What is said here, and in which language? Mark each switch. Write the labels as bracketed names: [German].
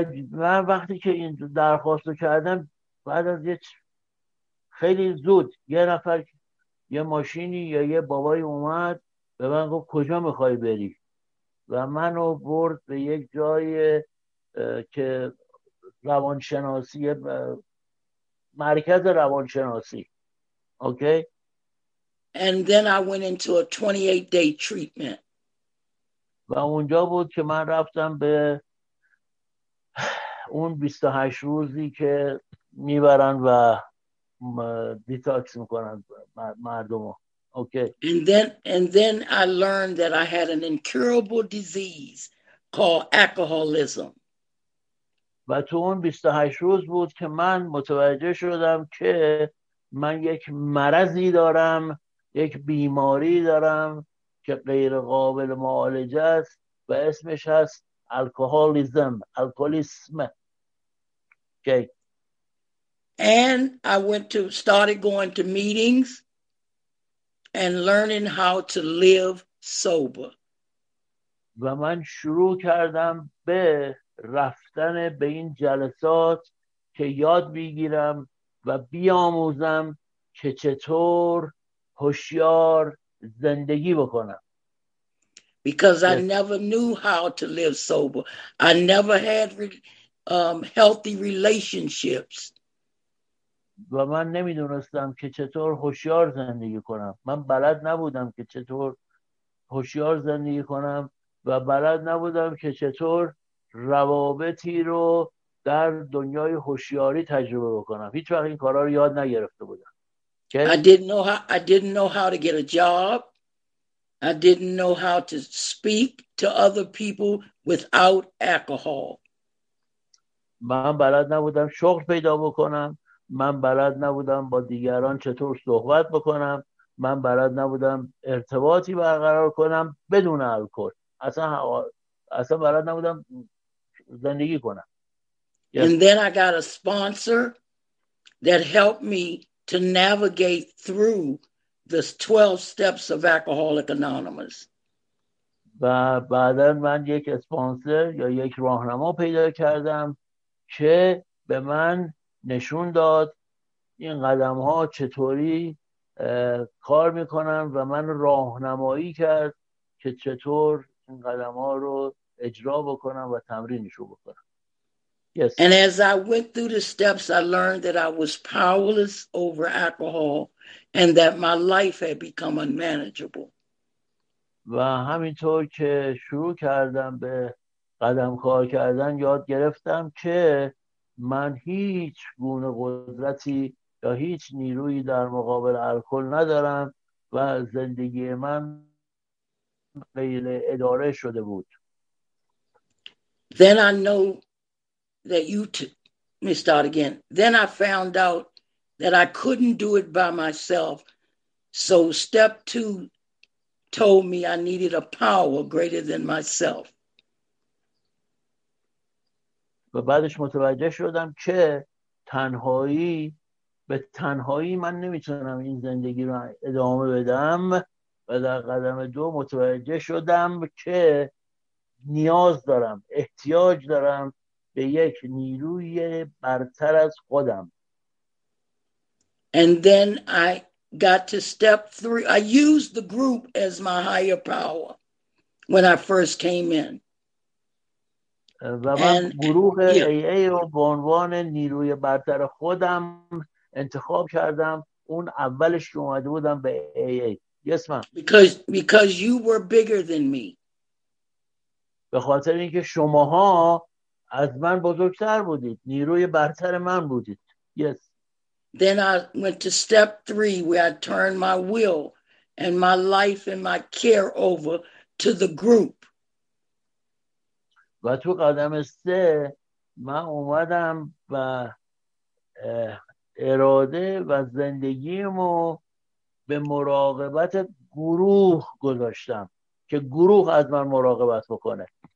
[Persian] من وقتی که این درخواست کردم بعد از یه خیلی زود یه نفر یه ماشینی یا یه بابای اومد به من گفت کجا میخوای بری و منو برد به یک جای که روانشناسی مرکز روانشناسی. اوکی. [English] And then I went into a 28 day treatment. [Persian] و اونجا بود که من رفتم به اون 28 روزی که میبرن و دیتاکس میکنن مردمو. اوکی. [English] And then I learned that I had an incurable disease called alcoholism. [Persian] و تو اون 28 روز بود که من متوجه شدم که من یک مرضی دارم، یک بیماری دارم که غیر قابل معالجه است و اسمش هست الکولیسم. الکولیسم. Okay. [English] And I started going to meetings and learning how to live sober. [Persian] و من شروع کردم به رفتن به این جلسات که یاد بگیرم و بیاموزم که چطور هوشیار زندگی بکنم. [English] Because I never knew how to live sober. I never had healthy relationships. [Persian] و من نمیدونستم که چطور هوشیار زندگی کنم. من بلد نبودم که چطور هوشیار زندگی کنم و بلد نبودم که چطور روابطی رو در دنیای هوشیاری تجربه بکنم. هیچ وقت این کارا رو یاد نگرفته بودم. [English] I didn't know how to get a job. I didn't know how to speak to other people without alcohol. [Persian] من بلد نبودم شغل پیدا بکنم. من بلد نبودم با دیگران چطور صحبت بکنم. من بلد نبودم ارتباطی برقرار کنم بدون الکل. اصلا بلد نبودم زندگی کنم. [English] Yes. And then I got a sponsor that helped me to navigate through the 12 steps of Alcoholic Anonymous. [Persian] و بعدا من یک اسپانسر یا یک راهنما پیدا کردم که به من نشون داد این قدم ها چطوری کار میکنن و من راهنمایی کرد که چطور این قدم ها رو اجرا بکنم و تمرینش رو بکنم. [English] Yes. And as I went through the steps, I learned that I was powerless over alcohol and that my life had become unmanageable. [Persian] و همینطور که شروع کردم به قدم کار کردن یاد گرفتم که من هیچ گونه قدرتی یا هیچ نیرویی در مقابل الکل ندارم و زندگی من غیر اداره شده بود. [English] Then I know that you missed out again. Then I found out that I couldn't do it by myself. So step two told me I needed a power greater than myself. [Persian] و بعدش متوجه شدم که تنهایی به تنهایی من نمیتونم این زندگی رو ادامه بدم و در قدم دو متوجه شدم که نیاز دارم، احتیاج دارم به یک نیروی برتر از خودم. [English] And then I got to step three. I used the group as my higher power when I first came in. [Persian] و من گروه AA رو به عنوان نیروی برتر خودم انتخاب کردم. اون اولش که اومده بودم به AA. [English] Yes, ma'am. Because you were bigger than me. [Persian] به خاطر اینکه شماها از من بزرگتر بودید، نیروی برتر من بودید. [English] Yes. Then I went to step three where I turned my will and my life and my care over to the group. [Persian] و تو قدم سه من اومدم و اراده و زندگیمو به مراقبت گروه گذاشتم که گروه از من مراقبت بکنه.